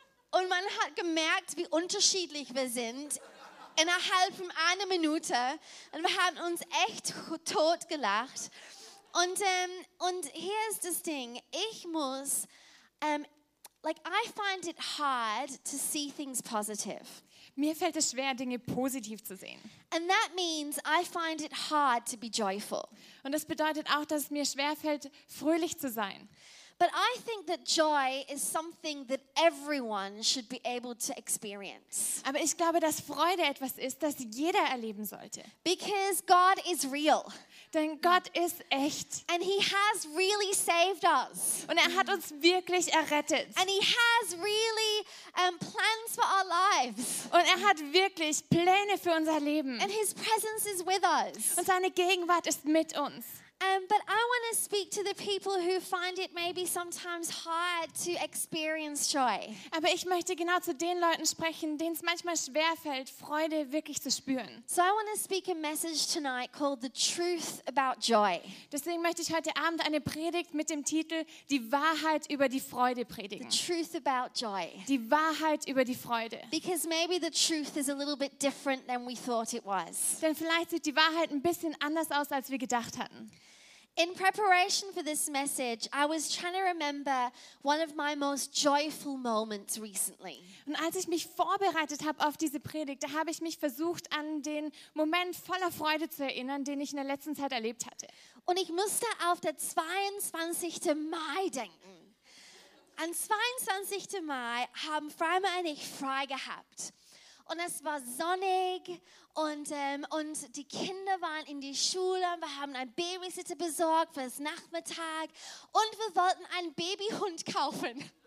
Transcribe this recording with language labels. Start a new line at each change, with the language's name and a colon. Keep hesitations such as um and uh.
German: Und man hat gemerkt, wie unterschiedlich wir sind innerhalb von einer Minute. Und wir haben uns echt tot gelacht. Und, ähm, und hier ist das Ding. Ich muss,
English: ähm, like, I find it hard to see things positive.
German: Mir fällt es schwer, Dinge positiv zu sehen.
English: And that means I find it hard to be joyful.
German: Und das bedeutet auch, dass es mir schwer fällt, fröhlich zu sein.
English: But I think that joy is something that everyone should be able to experience
German: Aber ich glaube, dass Freude etwas ist, das jeder erleben sollte.
English: because God is real
German: Denn Gott ist echt.
English: and He has really saved us.
German: Und er hat uns wirklich errettet.
English: And he has really um, plans for our lives.
German: Und er hat wirklich Pläne für unser Leben.
English: And his presence is with us.
German: Und seine Gegenwart ist mit uns.
English: Um, but I want to speak to the people who find it maybe sometimes hard to experience joy.
German: Aber ich möchte genau zu den Leuten sprechen, denen es manchmal schwerfällt, Freude wirklich zu spüren.
English: So I want to speak a message tonight called The Truth About Joy.
German: Deswegen möchte ich heute Abend eine Predigt mit dem Titel Die Wahrheit über die Freude predigen.
English: Truth About Joy.
German: Die Wahrheit über die Freude.
English: Because maybe the truth is a little bit different than we thought it was.
German: Denn vielleicht sieht die Wahrheit ein bisschen anders aus, als wir gedacht hatten.
English: In preparation for this message, I was trying to remember one of my most joyful moments recently.
German: Und als ich mich vorbereitet habe auf diese Predigt, da habe ich mich versucht, an den Moment voller Freude zu erinnern, den ich in der letzten Zeit erlebt hatte. Und ich musste auf der 22. Mai denken. Am 22. Mai haben Freimann und ich frei gehabt. Und es war sonnig und, ähm, und die Kinder waren in die Schule und wir haben einen Babysitter besorgt fürs Nachmittag und wir wollten einen Babyhund kaufen.